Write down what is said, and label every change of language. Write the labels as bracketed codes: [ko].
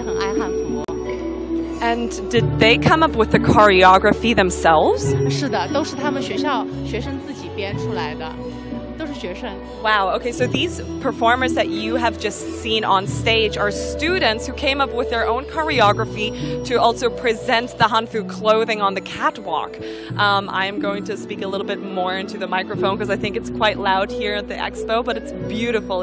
[zh] 就年轻人非常非常喜欢自己的传统文化，也很爱汉服。 [en] And did they come up with the choreography themselves? [zh] 是的，都是他们学校学生自己编出来的，都是学生。 [en] Wow. Okay. So these performers that you have just seen on stage are students who came up with their own choreography to also present the Hanfu clothing on the catwalk. I am going to speak a little bit more into the microphone because I think it's quite loud here at the expo, but it's beautiful.